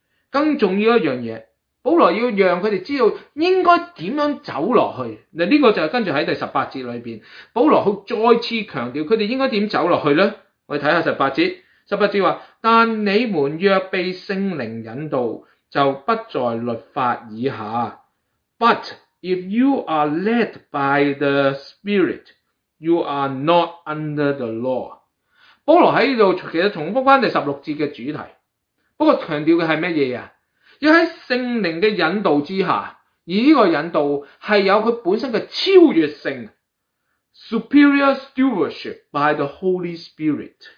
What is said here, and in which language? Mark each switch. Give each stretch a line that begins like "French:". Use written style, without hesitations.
Chinese: 更重要的一件事，保羅要讓他們知道應該怎樣走下去。這個就是跟著在第十八節裡面保羅再次強調他們應該怎樣走下去呢。我們看看十八節，十八節說，但你們若被聖靈引導，就不在律法以下。
English: But if you are led by the Spirit, you are not under the law.
Chinese: 保罗在这里其实重复回第十六节的主题，不过强调的是什么呀？要在圣灵的引导之下，而这个引导是有它本身的超越性
English: Superior stewardship by the Holy Spirit。